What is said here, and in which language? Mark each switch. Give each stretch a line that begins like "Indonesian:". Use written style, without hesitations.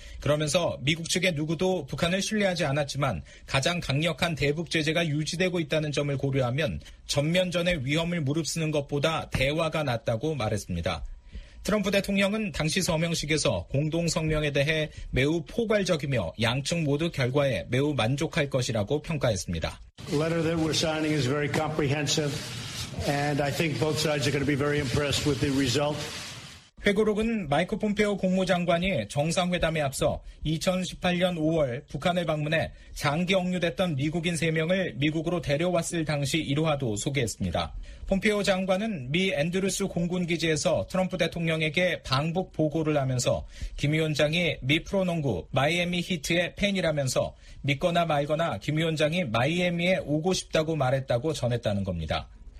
Korean: 그러면서 미국 측의 누구도 북한을 신뢰하지 않았지만 가장 강력한 대북 제재가 유지되고 있다는 점을 고려하면 전면전의 위험을 무릅쓰는 것보다 대화가 낫다고 말했습니다. 트럼프 대통령은 당시 서명식에서 공동성명에 대해 매우 포괄적이며 양측 모두 결과에 매우 만족할 것이라고 평가했습니다.
English: The letter that we're signing is very comprehensive, and I think both sides are going to be very impressed with the result.
Korean: 회고록은 마이크 폼페오 국무장관이 정상회담에 앞서 2018년 5월 북한을 방문해 장기 억류됐던 미국인 3명을 미국으로 데려왔을 당시 일화도 소개했습니다. 폼페오 장관은 미 앤드루스 공군기지에서 트럼프 대통령에게 방북 보고를 하면서 김 위원장이 미 프로농구 마이애미 히트의 팬이라면서 믿거나 말거나 김 위원장이 마이애미에 오고 싶다고 말했다고 전했다는 겁니다.